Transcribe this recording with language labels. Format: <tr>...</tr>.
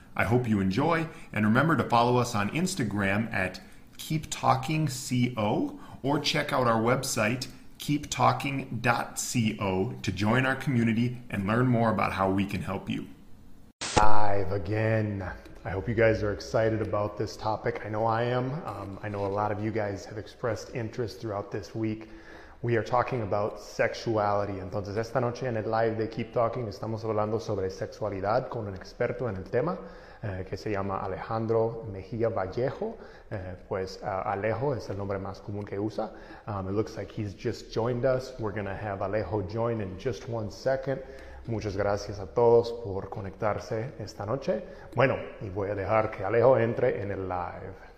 <en>I hope you enjoy, and remember to follow us on Instagram at Keep Talking CO, or check out our website keeptalking.co to join our community and learn more about how we can help you. Live again. I hope you guys are excited about this topic. I know I am. I know a lot of you guys have expressed interest throughout this week. We are talking about sexuality.</en> <es>Entonces, esta noche en el live de Keep Talking estamos hablando sobre sexualidad con un experto en el tema. Que se llama Alejandro Mejía Vallejo. Alejo es el nombre más común que usa.</es> <en>It looks like he's just joined us. We're going to have Alejo join in just one second.</en> <es>Muchas gracias a todos por conectarse esta noche. Bueno, y voy a dejar que Alejo entre en el live.</es>